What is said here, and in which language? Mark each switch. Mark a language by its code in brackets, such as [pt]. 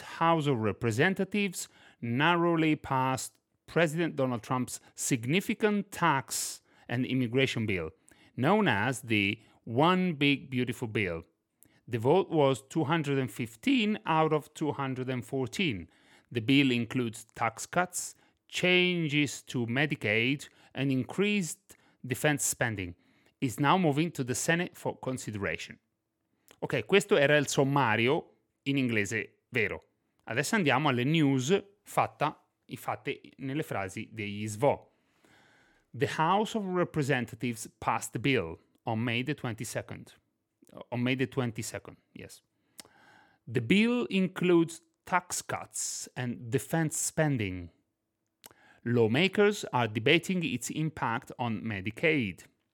[en] House of Representatives narrowly passed President Donald Trump's significant tax and immigration bill, known as the One Big Beautiful Bill. The vote was 215 out of 214. The bill includes tax cuts, changes to Medicaid, and increased defense spending. Is now moving to the Senate for consideration. [it] Ok, questo era il sommario in inglese vero. Adesso andiamo alle news fatte nelle frasi degli SVO. [en] The House of Representatives passed the bill on May the 22nd. On May the 22nd, yes. The bill includes tax cuts and defense spending. Lawmakers are debating its impact on Medicaid.